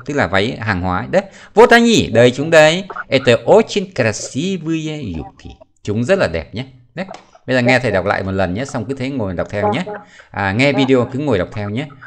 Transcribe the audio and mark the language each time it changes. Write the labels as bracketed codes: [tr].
[vi] Tức là váy hàng hóa đấy. [ru] Вот они, [vi] đây chúng đây. [ru] Это очень красивые юбки. [vi] Chúng rất là đẹp nhé. Đấy. Bây giờ nghe thầy đọc lại một lần nhé, xong cứ thế ngồi đọc theo nhé. À, nghe video cứ ngồi đọc theo nhé.